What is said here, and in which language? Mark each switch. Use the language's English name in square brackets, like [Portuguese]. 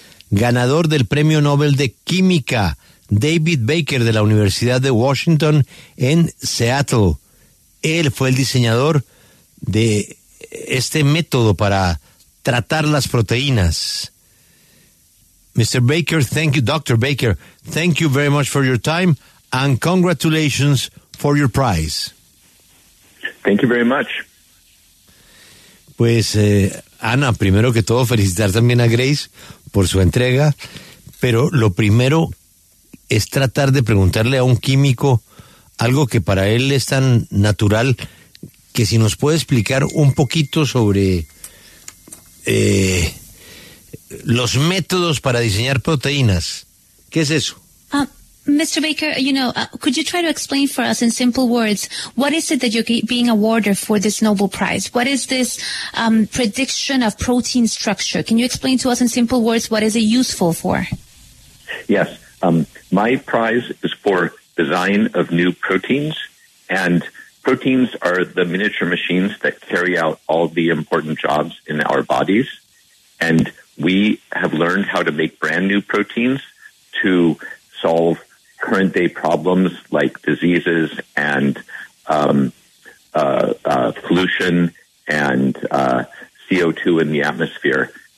[Spanish] Ganador del Premio Nobel de Química, David Baker, de la Universidad de Washington en Seattle. Él fue el diseñador de este método para tratar las proteínas. [English] Mr. Baker, thank you. Dr. Baker, thank you very much for your time and congratulations for your prize. Thank you very much. [Spanish] Pues, Ana, primero que todo, felicitar también a Grace por su entrega, pero lo primero es tratar de preguntarle a un químico algo que para él es tan natural, que si nos puede explicar un poquito sobre los métodos para diseñar proteínas. ¿Qué es eso? [English] Mr. Baker, you know, could you try to explain for us in simple words, what is it that you're being awarded for this Nobel Prize? What is this prediction of protein structure? Can you explain to us in simple words what is it useful for? Yes, my prize is for design of new proteins, and proteins are the miniature machines that carry out all the important jobs in our bodies, and we have learned how to make brand new proteins to solve current day problems like diseases and pollution and CO2 in the atmosphere.